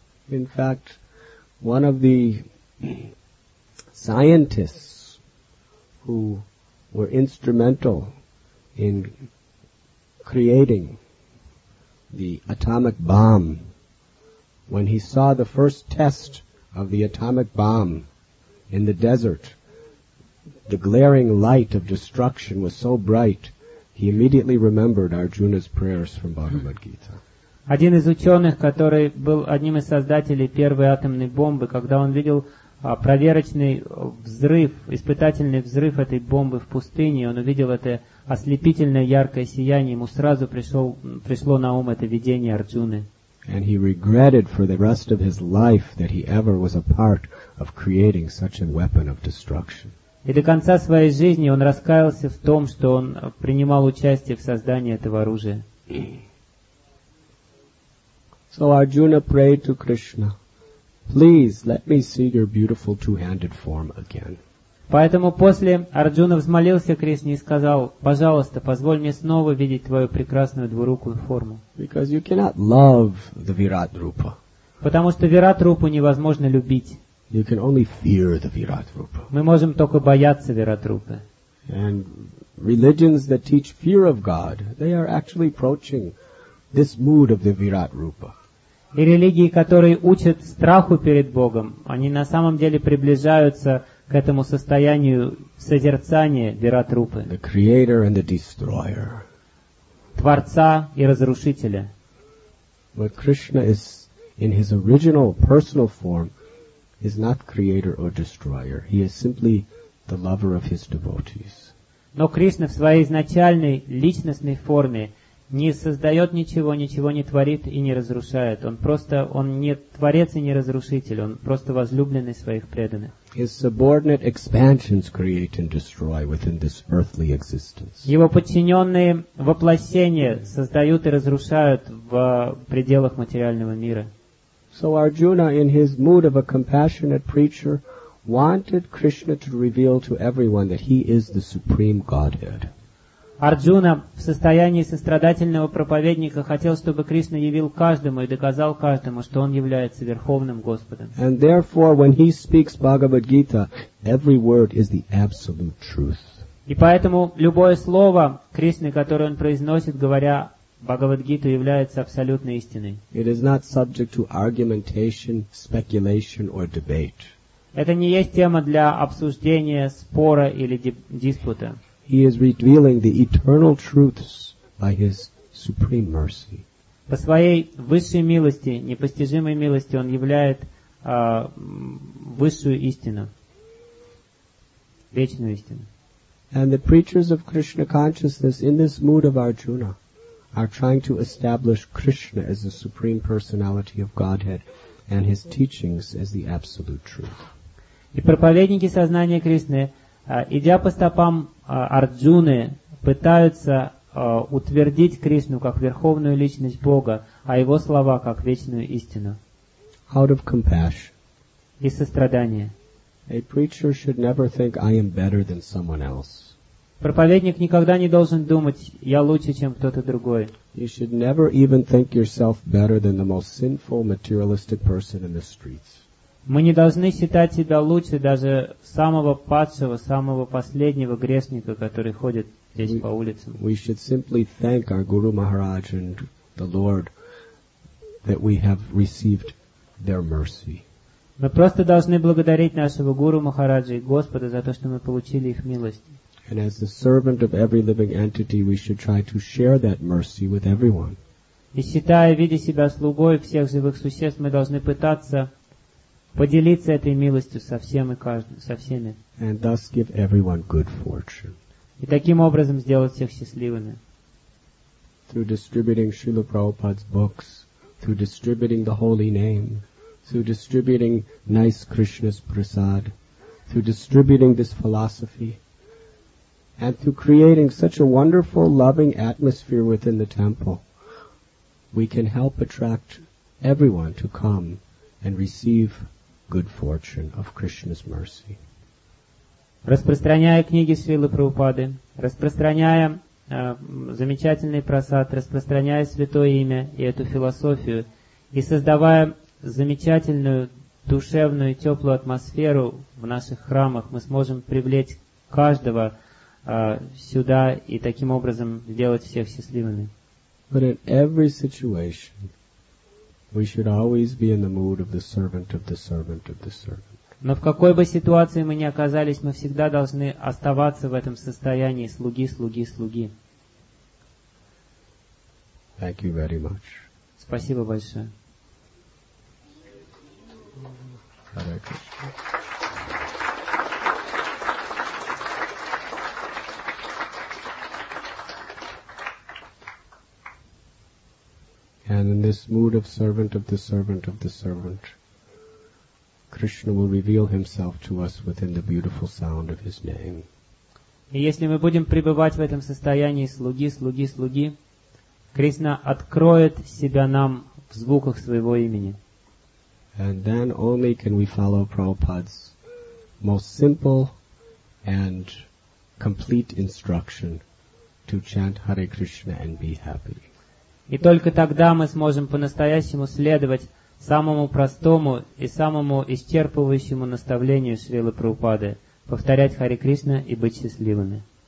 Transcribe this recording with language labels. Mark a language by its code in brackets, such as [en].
[en] In fact, one of the scientists who were instrumental in creating the atomic bomb, when he saw the first test of the atomic bomb in the desert, the glaring light of destruction was so bright, he immediately remembered Arjuna's prayers from Bhagavad Gita. [ru] Один из ученых, который был одним из создателей первой атомной бомбы, когда он видел проверочный взрыв, испытательный взрыв этой бомбы в пустыне, он увидел это ослепительное яркое сияние, ему сразу пришло на ум это видение Арджуны. [en] And he regretted for the rest of his life that he ever was a part of creating such a weapon of destruction. [ru] И до конца своей жизни он раскаялся в том, что он принимал участие в создании этого оружия. [en] So Arjuna prayed to Krishna, please let me see your beautiful two-handed form again. [ru] Поэтому после Арджуна взмолился Кришне и сказал, пожалуйста, позволь мне снова видеть твою прекрасную двурукую форму. [en] Because you cannot love the Virat-rupa. [ru] Потому что Вират-рупу невозможно любить. [en] You can only fear the Virat-rupa. [ru] Мы можем только бояться Вират-рупы. [en] And religions that teach fear of God, they are actually approaching this mood of the Virat-rupa. [ru] И религии, которые учат страху перед Богом, они на самом деле приближаются к этому состоянию созерцания Вират-рупы. [en] The creator and the destroyer. [ru] Творца и разрушителя. [en] But Krishna is in his original personal form is not creator or destroyer. He is simply the lover of his devotees. [ru] Но Кришна в своей изначальной личностной форме не создает ничего, ничего не творит и не разрушает. Он не творец и не разрушитель, он просто возлюбленный своих преданных. [en] His subordinate expansions create and destroy within this earthly existence. [ru] Его подчиненные воплощения создают и разрушают в пределах материального мира. [en] So Arjuna, in his mood of a compassionate preacher, wanted Krishna to reveal to everyone that he is the supreme Godhead. [ru] Арджуна в состоянии сострадательного проповедника хотел, чтобы Кришна явил каждому и доказал каждому, что он является Верховным Господом. [en] And therefore, when he speaks Bhagavad Gita, every word is the absolute truth. [ru] И поэтому любое слово Кришны, которое он произносит, говоря Бхагавад-гиту, является абсолютной истиной. [en] It is not subject to argumentation, speculation or debate. [ru] Это не есть тема для обсуждения, спора или диспута. [en] He is revealing the eternal truths by his supreme mercy. [ru] По своей высшей милости, непостижимой милости, он являет высшую истину, вечную истину. [en] And the preachers of Krishna consciousness in this mood of Arjuna are trying to establish Krishna as the supreme personality of Godhead and his teachings as the absolute truth. [ru] И проповедники сознания Кришны, идя по стопам Арджуны, пытаются утвердить Кришну как верховную личность Бога, а его слова как вечную истину. [en] Out of compassion. [ru] Из сострадания. [en] A preacher should never think I am better than someone else. [ru] Проповедник никогда не должен думать, я лучше, чем кто-то другой. [en] You should never even think yourself better than the most sinful materialistic person in the streets. [ru] Мы не должны считать себя лучше даже самого падшего, самого последнего грешника, который ходит здесь по улицам. [en] We should simply thank our Guru Maharaj and the Lord that we have received their mercy. [ru] Мы просто должны благодарить нашего Гуру Махараджа и Господа за то, что мы получили их милость. [en] And as the servant of every living entity, we should try to share that mercy with everyone. [ru] И считая, видя себя слугой всех живых существ, мы должны пытаться поделиться этой милостью со всем и каждым, со всеми. [en] And thus give everyone good fortune. [ru] И таким образом сделать всех счастливыми. [en] through distributing Srila Prabhupada's books, through distributing the holy name, through distributing nice Krishna's prasad, through distributing this philosophy, and through creating such a wonderful, loving atmosphere within the temple, we can help attract everyone to come and receive good fortune of Krishna's mercy. [ru] Распространяя книги Шрилы Прабхупады, распространяя замечательный просад, распространяя святое имя и эту философию, и создавая замечательную, душевную, теплую атмосферу в наших храмах, мы сможем привлечь каждого сюда и таким образом сделать всех счастливыми. [en] But in every situation, we should always be in the mood of the servant of the servant of the servant. [ru] Но в какой бы ситуации мы ни оказались, мы всегда должны оставаться в этом состоянии слуги, слуги, слуги. [en] Thank you very much. [ru] Спасибо большое. [en] Hare Krishna. And in this mood of servant of the servant of the servant, Krishna will reveal himself to us within the beautiful sound of his name. [ru] И если мы будем пребывать в этом состоянии слуги, слуги, слуги, Кришна откроет себя нам в звуках своего имени. [en] And then only can we follow Prabhupada's most simple and complete instruction to chant Hare Krishna and be happy. [ru] И только тогда мы сможем по-настоящему следовать самому простому и самому исчерпывающему наставлению Шрилы Прабхупады — повторять Харе Кришна и быть счастливыми.